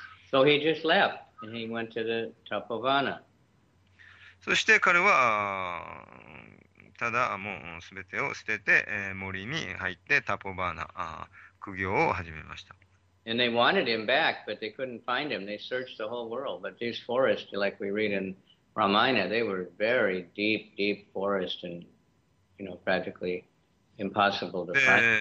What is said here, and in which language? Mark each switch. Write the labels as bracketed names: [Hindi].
[English] So he just left and he went to the Tapovana. [Japanese] そして彼はただもう全てを捨てて森に入ってタポバーナ、苦行を始めました。 [English] And they wanted him back, but they couldn't find him. They searched the whole world. But these forests, like we read in Ramayana, they were very deep, deep forest and, practically impossible to find.